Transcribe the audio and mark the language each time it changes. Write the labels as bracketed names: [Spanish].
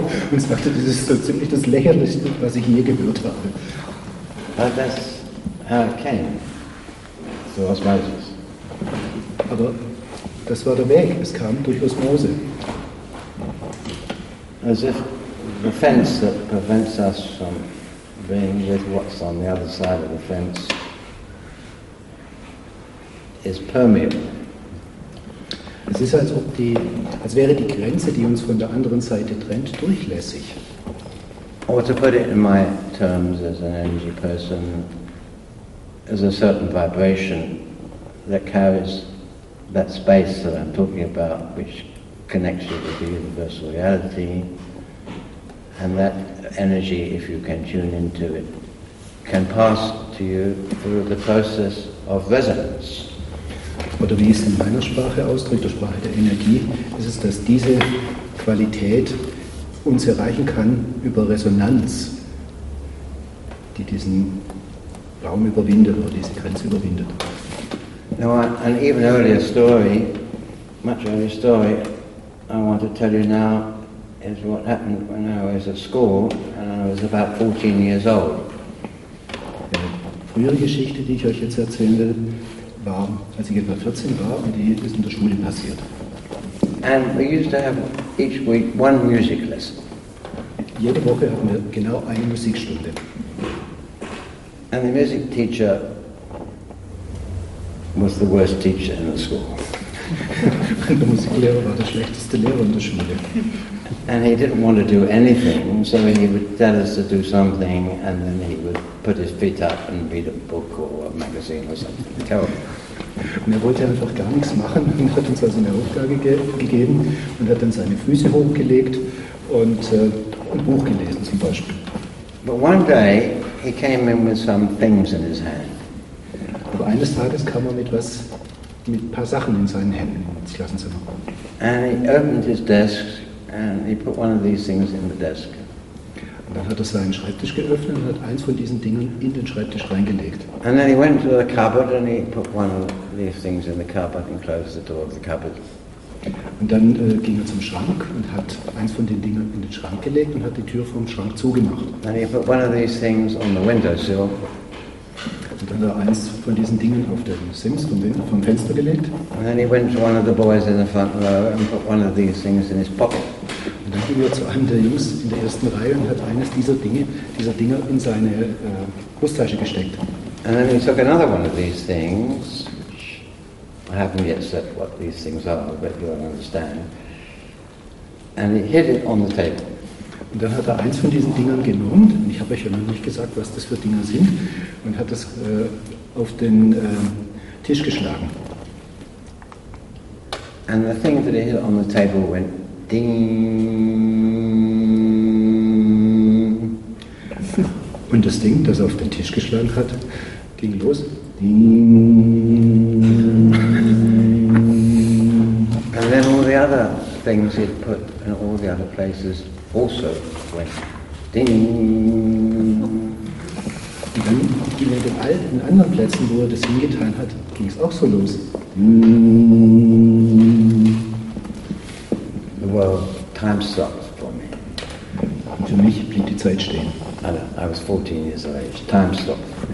[German] Und sagte, das ist so ziemlich das Lächerlichste, was ich je gehört habe. [English] But that's how it came. So osmosis. [German] Aber das war der Weg, es kam durch Osmose. [English] As if the fence that prevents us from being with what's on the other side of the fence is permeable. [German] Es ist, als wäre die Grenze, die uns von der anderen Seite trennt, durchlässig. [English] Or to put it in my terms as an energy person, is a certain vibration that carries that space that I'm talking about, which connects you with the universal reality, and that energy, if you can tune into it, can pass to you through the process of resonance. [German] Oder wie es in meiner Sprache ausdrückt, der Sprache der Energie, ist es, dass diese Qualität uns erreichen kann über Resonanz, die diesen Raum überwindet oder diese Grenze überwindet. [English] Now, an even earlier story, much earlier story, I want to tell you now is what happened when I was at school and I was about 14 years old. [German] Die frühere Geschichte, die ich euch jetzt erzählen will, war, als ich etwa 14 war, und die ist in der Schule passiert. [English] And we used to have each week one music lesson. [German] Jede Woche hatten wir genau eine Musikstunde. [English] And the music teacher was the worst teacher in the school. [German] Und der Musiklehrer war der schlechteste Lehrer in der Schule. [English] And he didn't want to do anything, so he would tell us to do something and then he would put his feet up and read a book or a magazine or something. Terrible. [German] Und er wollte einfach gar nichts machen und hat uns also eine Aufgabe gegeben und hat dann seine Füße hochgelegt und ein Buch gelesen zum Beispiel. [English] But one day he came in with some things in his hand. [German] Aber eines Tages kam er mit ein paar Sachen in seinen Händen ins Klassenzimmer. [English] And he opened his desk and he put one of these things in the desk. [German] Und dann hat er seinen Schreibtisch geöffnet und hat eins von diesen Dingen in den Schreibtisch reingelegt. [English] And then he went to the cupboard and he put one of these things in the cupboard and closed the door of the cupboard. [German] Und dann ging er zum Schrank und hat eins von den Dingen in den Schrank gelegt und hat die Tür vom Schrank zugemacht. [English] And he put one of these things on the windowsill. [German] Und dann hat er eins von diesen Dingen auf den Sims vom Fenster gelegt. [English] And then he went to one of the boys in the front row and put one of these things in his pocket. [German] Und dann ging er zu einem der Jungs in der ersten Reihe und hat eines dieser Dinger in seine Brusttasche gesteckt. [English] And then he took another one of these things. I haven't yet said what these things are, but you'll understand. And he hid it on the table. [German] Und dann hat er eins von diesen Dingern genommen, und ich habe euch ja noch nicht gesagt, was das für Dinger sind, und hat das auf den Tisch geschlagen. [English] And the thing that he hit on the table went ding. [German] Und das Ding, das er auf den Tisch geschlagen hat, ging los. [English] And then all the other things he'd put in all the other places also went ding. [German] Und dann ging er in allen anderen Plätzen, wo er das hingetan hat, ging es auch so los. [English] Well, time stopped for me. [German] Für mich blieb die Zeit stehen. [English] I was 14 years of age. Time stopped.